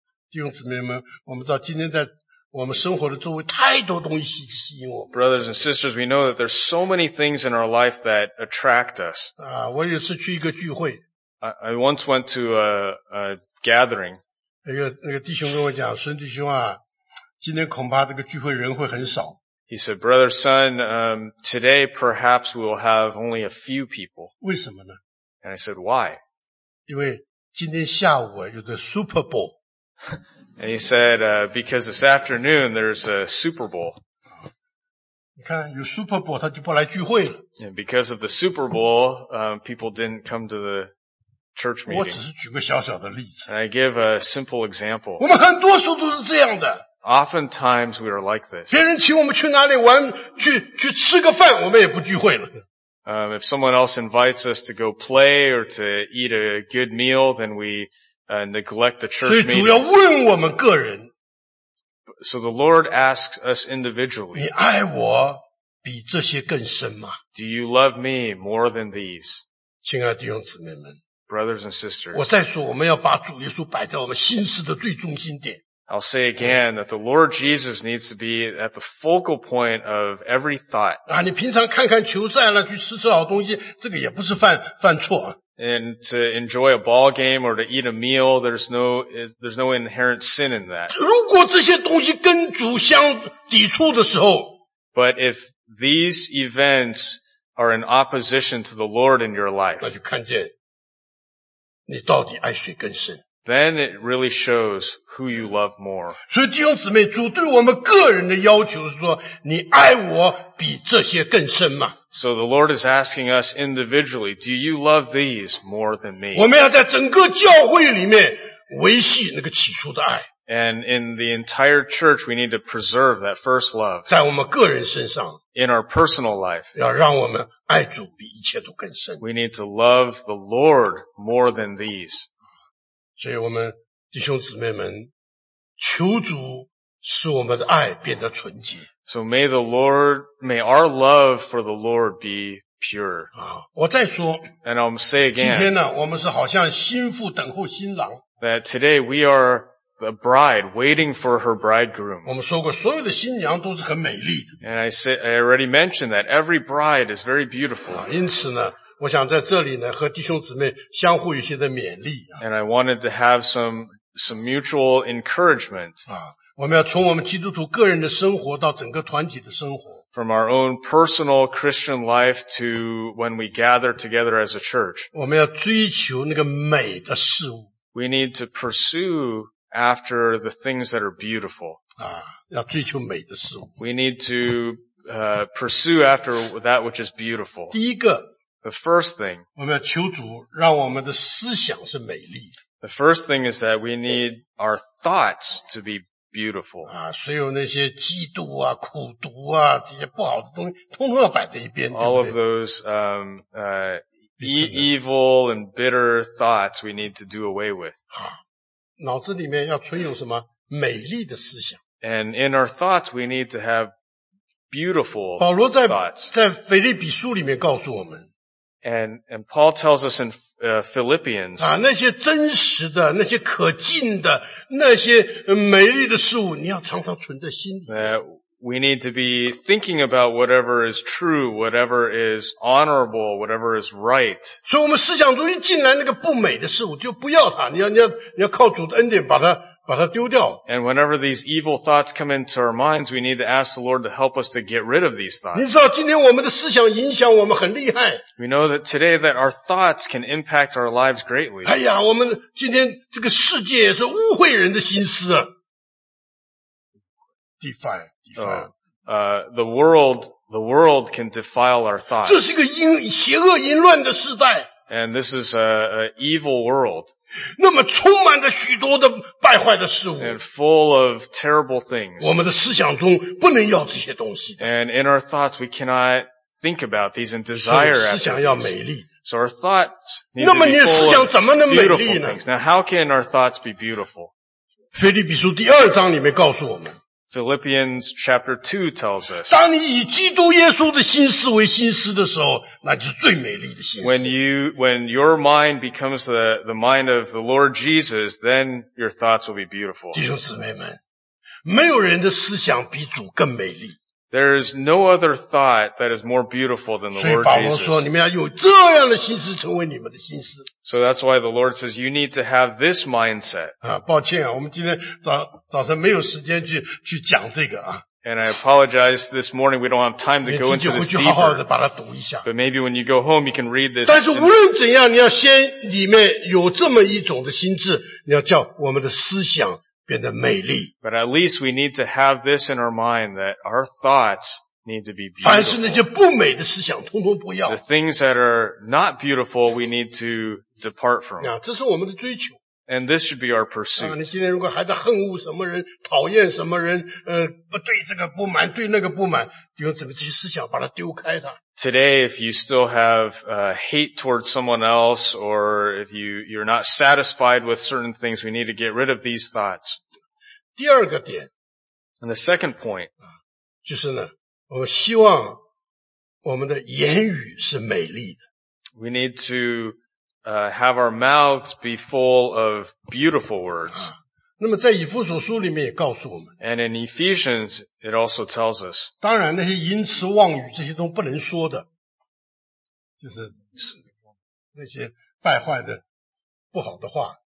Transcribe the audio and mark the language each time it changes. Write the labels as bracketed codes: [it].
[zh] 弟兄姊妹们,我们知道今天在我们生活的周围太多东西吸引我们。 [en] Brothers and sisters, we know that there's so many things in our life that attract us. [zh] 我有一次去一个聚会。 [en] I once went to a gathering. [zh] 那个弟兄跟我讲，孙弟兄啊，今天恐怕这个聚会人会很少。 [en] He said, brother, son, today perhaps we'll have only a few people. [zh] 为什么呢？ [en] And I said, why? [zh] 因为今天下午啊，有个 Super Bowl. [en] And he said, because this afternoon there's a Super Bowl. [zh] 你看，有 Super Bowl, 他就不来聚会了。 [en] And because of the Super Bowl, people didn't come to the church meeting. [zh] 我只是举个小小的例子。 [en] And I give a simple example. [zh] 我们很多时候都是这样的。 [en] Oftentimes we are like this. [zh] 别人请我们去哪里玩，去吃个饭，我们也不聚会了。 [en] If someone else invites us to go play or to eat a good meal, then we neglect the church meeting. [zh] 所以主要问我们个人。 [en] So the Lord asks us individually. [zh] 你爱我比这些更深吗？ [en] Do you love me more than these? [zh] 亲爱的弟兄姊妹们。 [en] Brothers and sisters. [zh] 我再说我们要把主耶稣摆在我们心思的最中心点。 [en] I'll say again that the Lord Jesus needs to be at the focal point of every thought. [zh] 啊，你平常看看球赛了，去吃吃好东西，这个也不是犯错。 [en] And to enjoy a ball game or to eat a meal, there's no inherent sin in that. [zh] 如果这些东西跟主相抵触的时候。 [en] But if these events are in opposition to the Lord in your life. [zh] 那就看见你到底爱谁更深。 [en] Then it really shows who you love more. [zh] 所以弟兄姊妹，主对我们个人的要求是说，你爱我比这些更深吗？ [en] So the Lord is asking us individually, do you love these more than me? [zh] 我们要在整个教会里面维系那个起初的爱。 [en] And in the entire church, we need to preserve that first love. [zh] 在我们个人身上。 [en] In our personal life. [zh] 要让我们爱主比一切都更深。 [en] We need to love the Lord more than these. [zh] 所以我们弟兄姊妹们，求主使我们的爱变得纯洁。 [en] So may the Lord, may our love for the Lord be pure. [zh] 啊，我再说。 [en] And I'll say again. [zh] 今天呢，我们是好像新妇等候新郎。 [en] That today we are the bride waiting for her bridegroom. [zh] 我们说过，所有的新娘都是很美丽的。 [en] And I already mentioned that every bride is very beautiful. [zh] 啊，因此呢。我想在这里呢和弟兄姊妹相互一些的勉励、啊。 [en] And I wanted to have some mutual encouragement.、 [zh] 啊、我们要从我们基督徒个人的生活到整个团体的生活。 [en] From our own personal Christian life to when we gather together as a church. [zh] 我们要追求那个美的事物。 [en] We need to pursue after the things that are beautiful.、 [zh] 啊、要追求美的事物。 [en] We need to pursue after that which is beautiful. [zh] 第一个 [en] The first thing, [zh] 我们要求主让我们的思想是美丽。 [en] The first thing is that we need our thoughts to be beautiful. [zh] 啊，所有那些嫉妒啊、苦毒啊这些不好的东西，通通要摆在一边。 [en] All of those evil and bitter thoughts we need to do away with. [zh] 啊，脑子里面要存有什么美丽的思想。 [en] And in our thoughts we need to have beautiful thoughts. [zh] 保罗在腓立比书里面告诉我们。 [en] And Paul tells us in Philippians, [zh] 啊，那些真实的，那些可敬的，那些美丽的事物，你要常常存在心里。 [en] That we need to be thinking about whatever is true, whatever is honorable, whatever is right. [zh] 所以我们思想中一进来那个不美的事物，就不要它，你要靠主的恩典把它丢掉。 [en] And whenever these evil thoughts come into our minds, we need to ask the Lord to help us to get rid of these thoughts. [zh] 你知道今天我们的思想影响我们很厉害。 [en] We know that today that our thoughts can impact our lives greatly. [zh] 哎呀，我们今天这个世界也是污秽人的心思啊。 [en] The world can defile our thoughts. [zh] 这是一个邪恶淫乱的时代。 [en] And this is a evil world. [zh] 那么充满着许多的败坏的事物。 [en] And full of terrible things. [zh] 我们的思想中不能要这些东西的。 [en] And in our thoughts, we cannot think about these and desire after these. [zh] 思想要美丽。 [en] So our thoughts need to be full of beautiful things. Now how can our thoughts be beautiful? [zh] 腓立比书第二章里面告诉我们。 [en] Philippians chapter 2 tells us, [zh] 当你以基督耶稣的心思为心思的时候，那就是最美丽的心思。 [en] When your mind becomes the mind of the Lord Jesus, then your thoughts will be beautiful. [zh] 弟兄姊妹们，没有人的思想比主更美丽。 [en] There is no other thought that is more beautiful than the Lord [zh] Jesus. 所以保罗说，你们要有这样的心思成为你们的心思。 [en] So that's why the Lord says you need to have this mindset. [zh] 啊，抱歉啊，我们今天早晨没有时间去讲这个啊。 [en] And I apologize this morning we don't have time to go into this deeper. [zh] 你自己回去好好的把它读一下。 [en] But maybe when you go home you can read this. [zh] 但是无论怎样，你要先里面有这么一种的心智，你要叫我们的思想。 [en] But at least we need to have this in our mind that our thoughts need to be beautiful. [zh] 凡是那些不美的思想，通通不要。 [en] The things that are not beautiful, we need to depart from. [zh] 啊，这是我们的追求。 [en] And this should be our pursuit. [zh] 啊，你今天如果还在恨恶什么人，讨厌什么人，不对这个不满，对那个不满，用这个这些思想把它丢开它。 [en] Today, if you still have hate towards someone else, or if you're not satisfied with certain things, we need to get rid of these thoughts. [zh] 第二个点。 [en] And the second point. [zh] 就是呢，我们希望我们的言语是美丽的。 [en] We need to have our mouths be full of beautiful words. [zh] 那么在以弗所书里面也告诉我们。 [en] And in Ephesians, it also tells us. [zh] 当然那些淫词妄语这些都不能说的。就是那些败坏的不好的话。